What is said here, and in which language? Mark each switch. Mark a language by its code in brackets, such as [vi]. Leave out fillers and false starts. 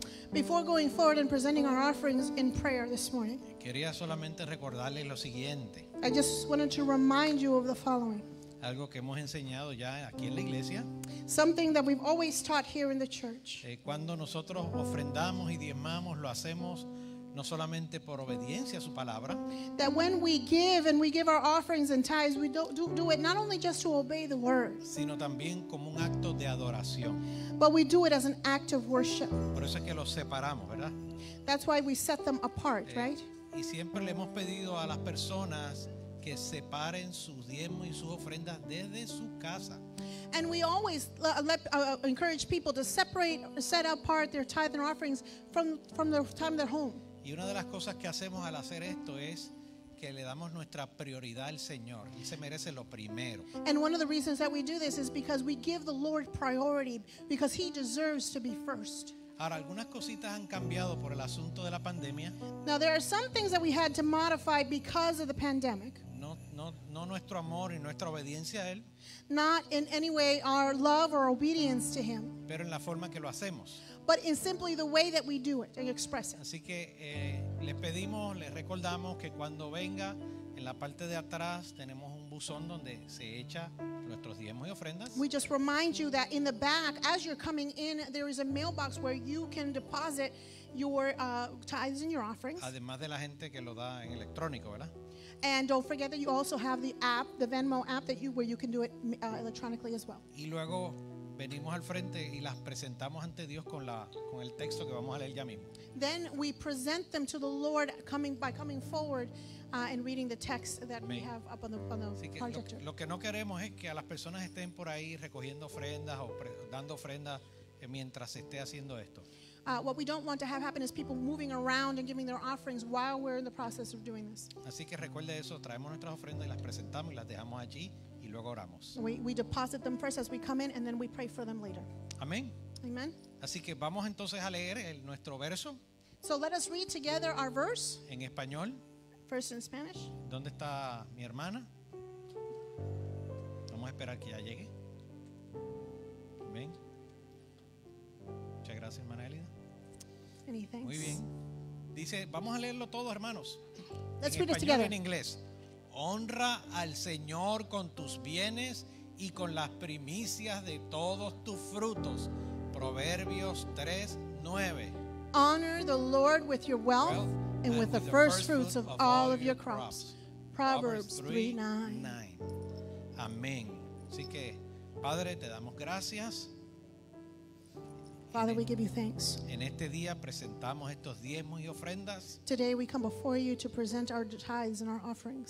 [en] Before going forward and presenting our offerings in prayer this morning, [es] quería solamente recordarles lo siguiente. [en] I just wanted to remind you of the following. [es] Algo que hemos enseñado ya aquí en la iglesia. [en] Something that we've always taught here in the church. [es] Cuando nosotros ofrendamos y diezmamos, lo hacemos no solamente por obediencia a su palabra. [en] That when we give and we give our offerings and tithes, we do it not only just to obey the word, [es] sino también como un acto de adoración. [en] But we do it as an act of worship. [es] Por eso es que los separamos, ¿verdad? [en] That's why we set them apart, right? [es] Y siempre le hemos pedido a las personas que separen sus diezmos y sus ofrendas desde su casa. [en] And we always encourage people to separate, set apart their tithe and offerings from their home. [es] Y una de las cosas que hacemos al hacer esto es que le damos nuestra prioridad al Señor. Él se merece lo primero. [en] And one of the reasons that we do this is because we give the Lord priority, because He deserves to be first. [es] Ahora, algunas cositas han cambiado por el asunto de la pandemia. [en] Now there are some things that we had to modify because of the pandemic. [es] No nuestro amor y nuestra obediencia a Él. [en] Not in any way our love or obedience to Him. [es] Pero en la forma que lo hacemos. [en] But in simply the way that we do it and express it. [es] Así que le pedimos, le recordamos que cuando venga, en la parte de atrás tenemos un buzón donde se echa nuestros diezmos y ofrendas. [en] We just remind you that in the back, as you're coming in, there is a mailbox where you can deposit your tithes and your offerings. [es] Además de la gente que lo da en electrónico, ¿verdad? [en] And don't forget that you also have the app, the Venmo app, that you where you can do it electronically as well. [es] Y luego venimos al frente y las presentamos ante Dios con la con el texto que vamos a leer ya mismo. [en] Then we present them to the Lord coming by coming forward and reading the text that we have up on the projector. [es] Lo que no queremos es que a las personas estén por ahí recogiendo ofrendas o dando ofrendas mientras se esté haciendo esto. [en] What we don't want to have happen is people moving around and giving their offerings while we're in the process of doing this. [es] Así que recuerde eso, traemos nuestras ofrendas y las presentamos y las dejamos allí y luego oramos. [en] We deposit them first as we come in and then we pray for them later. [es] Amén. [en] Amen. [es] Así que vamos entonces a leer nuestro verso. [en] So let us read together our verse. [es] En español. [en] First in Spanish. [es] ¿Dónde está mi hermana? Vamos a esperar que ya llegue. Amén. Muchas gracias, hermana Elida. [en] Anything. [es] Muy bien. Dice, vamos a leerlo todos, hermanos. [en] Let's read it together. [es] En inglés. Honra al Señor con tus bienes y con las primicias de todos tus frutos. Proverbios 3:9. [en] Honor the Lord with your wealth and with the first fruits of all of your crops. Proverbs 3:9. [es] Amén. Así que, Padre, te damos gracias. [en] Father, we give you thanks. [es] En este día presentamos estos diezmos y ofrendas. [en] Today we come before you to present our tithes and our offerings.